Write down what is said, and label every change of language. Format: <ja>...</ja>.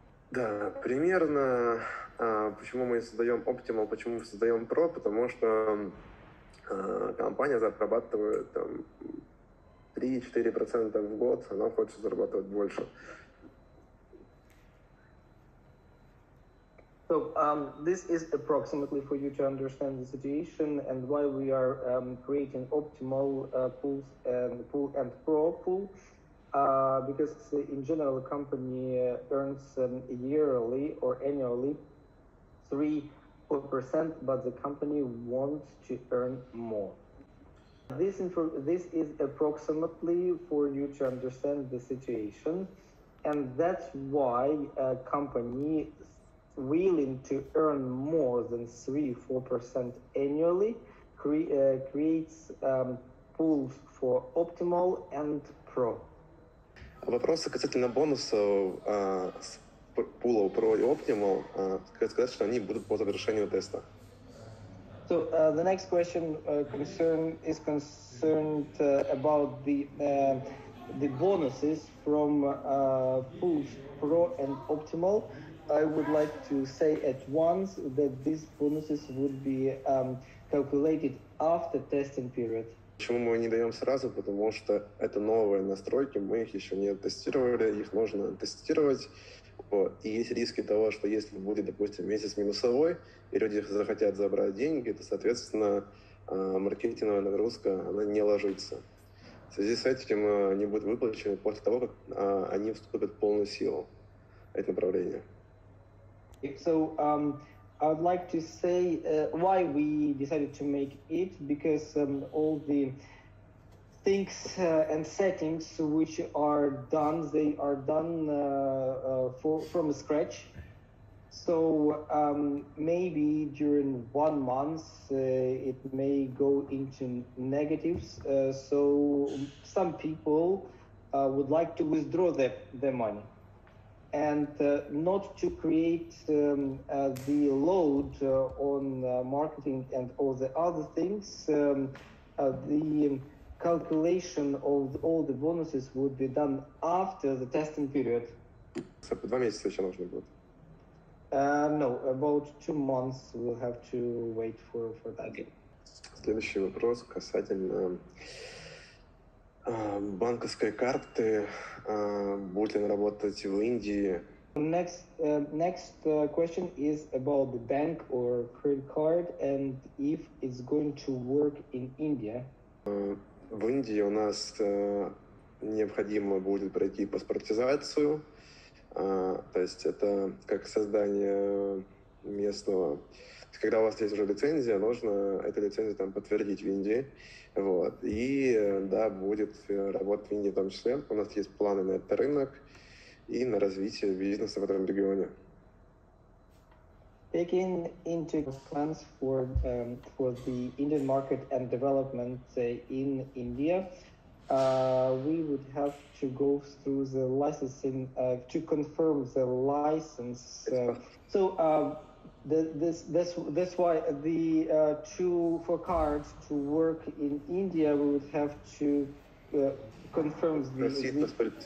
<ru>Да, примерно, почему мы создаем Optimal, почему мы создаем Pro, потому что компания зарабатывает там 3-4% в год, она хочет зарабатывать больше.</ru> <en>So this is approximately for you to understand the situation and why we are creating optimal pools and pool and pro pool. Because in general, a company earns yearly or annually 3%, but the company wants to earn more. This is approximately for you to understand the situation, and that's why a company willing to earn more than 3-4% annually creates pools for optimal and pro.</en> <ru>Вопросы касательно бонусов с пула Pro и Optimal, сказать, что они будут по завершению теста.</ru> <en>So the next question concerned about the bonuses from pools Pro and Optimal. I would like to say at once that these bonuses would be calculated after testing period.</en> <ru>Почему мы не даем сразу? Потому что это новые настройки, мы их еще не тестировали, их нужно тестировать. И есть риски того, что если будет, допустим, месяц минусовой, и люди захотят забрать деньги, то, соответственно, маркетинговая нагрузка она не ложится. В связи с этим они будут выплачены после того, как они вступят в полную силу это направление.</ru> <en>So, I would like to say why we decided to make it, because all the things and settings which are done, they are done from scratch. So maybe during 1 month it may go into negatives. So some people would like to withdraw their money. And not to create the load on marketing and all the other things, the calculation of all the bonuses would be done after the testing period.</en> <ru>So, по 2 месяца еще нужно будет.</ru> <en>No, about 2 months we'll have to wait for that. Okay.</en> <ru>Следующий вопрос касательно банковской карты, будет ли она работать в Индии?</ru> <en>Next question is about the bank or credit card and if it's going to work in India.</en> <ru>В Индии у нас необходимо будет пройти паспортизацию, то есть это как создание местного. Когда у вас есть уже лицензия, нужно эту лицензию там подтвердить в Индии. Вот. И да, будет работать в Индии в том числе. У нас есть планы на этот рынок и на развитие бизнеса в этом регионе.</ru> <en>Taking into plans for the Indian market and development in India, we would have to go through the licensing to confirm the license. That's why the for cards to work in India, we would have to confirm the</en>